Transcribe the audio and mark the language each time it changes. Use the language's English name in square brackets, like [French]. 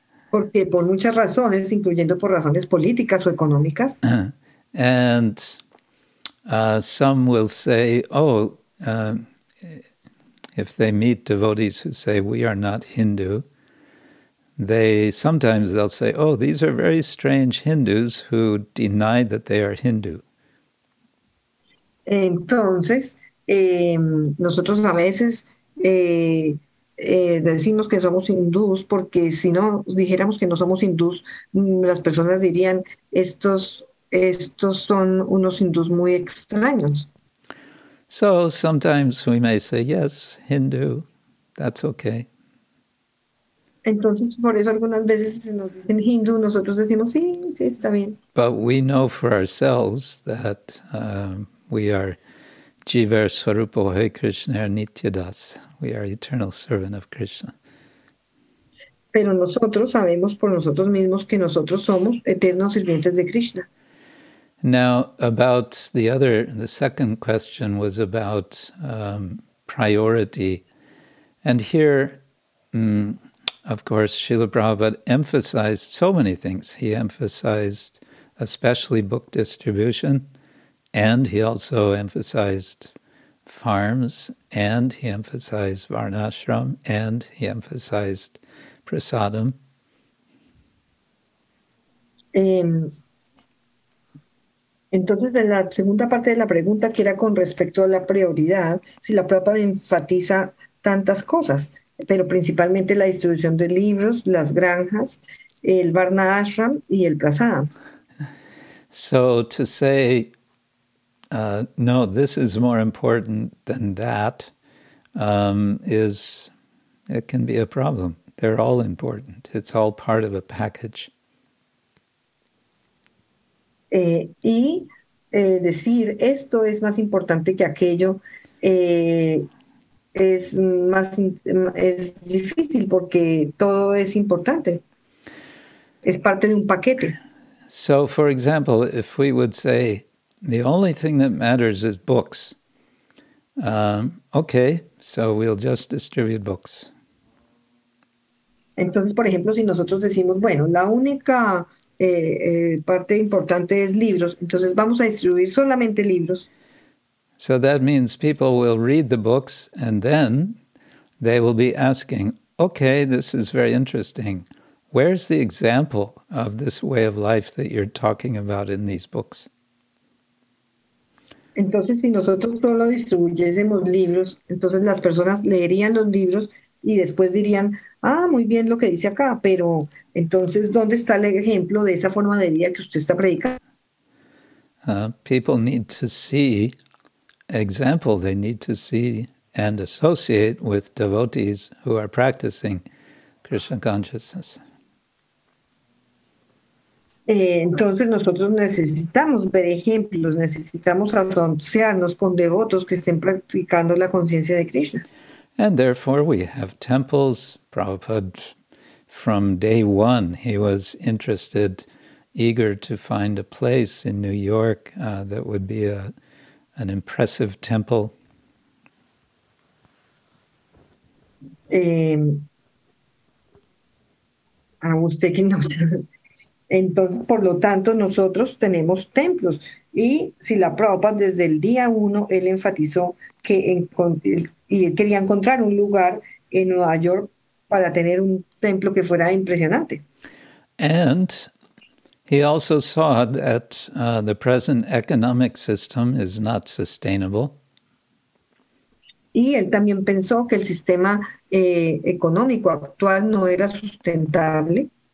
[Spanish] Porque por muchas razones, incluyendo por razones políticas o económicas. [English] And Some will say, oh, if they meet devotees who say, we are not Hindu, they'll say, oh, these are very strange Hindus who deny that they are Hindu. [Spanish] Entonces, nosotros a veces decimos que somos hindús porque si no dijéramos que no somos hindús, las personas dirían, estos son unos hindús muy extraños. [English] So sometimes we may say, yes, Hindu, that's okay. [Spanish] Entonces, por eso algunas veces si nos dicen hindú, nosotros decimos, sí, está bien. [English] But we know for ourselves that we are Jiva Swarupo Hare Krishna Nityadas. We are eternal servant of Krishna. [Spanish] Pero nosotros sabemos por nosotros mismos que nosotros somos eternos sirvientes de Krishna. [English] Now, about the second question was about priority. And here, of course, Srila Prabhupada emphasized so many things. He emphasized especially book distribution, and he also emphasized farms, and he emphasized varnashram, and he emphasized prasadam. [Spanish] Entonces, en la segunda parte de la pregunta, que era con respecto a la prioridad, si la Prabhupada enfatiza tantas cosas, pero principalmente la distribución de libros, las granjas, el Varna Ashram y el Prasadam. [English] So, to say, no, this is more important than that, it can be a problem. They're all important. It's all part of a package. [Spanish] Decir esto es más importante que aquello es difícil porque todo es importante, es parte de un paquete. [English] So, for example, if we would say the only thing that matters is books, okay, so we'll just distribute books. [Spanish] Entonces, por ejemplo, si nosotros decimos, bueno, la única parte importante es libros, entonces vamos a distribuir solamente libros. [English] So that means people will read the books and then they will be asking, okay, this is very interesting. Where's the example of this way of life that you're talking about in these books? [Spanish] Entonces, si nosotros solo distribuyésemos libros, entonces las personas leerían los libros y después dirían, ah, muy bien lo que dice acá, pero entonces, ¿dónde está el ejemplo de esa forma de vida que usted está predicando? [English] People need to see example, they need to see and associate with devotees who are practicing Krishna consciousness. [Spanish] Entonces nosotros necesitamos ver ejemplos, necesitamos asociarnos con devotos que estén practicando la conciencia de Krishna. [English] And therefore we have temples. Prabhupada, from day one, he was interested, eager to find a place in New York that would be an impressive temple. [Spanish] Entonces, por lo tanto, nosotros tenemos templos. Y si la Prabhupada, desde el día uno, él enfatizó que él quería encontrar un lugar en Nueva York para tener un templo que fuera impresionante. [English] And he also saw that the present economic system is not sustainable. [Spanish] Y él también pensó que el sistema económico actual no era sustentable.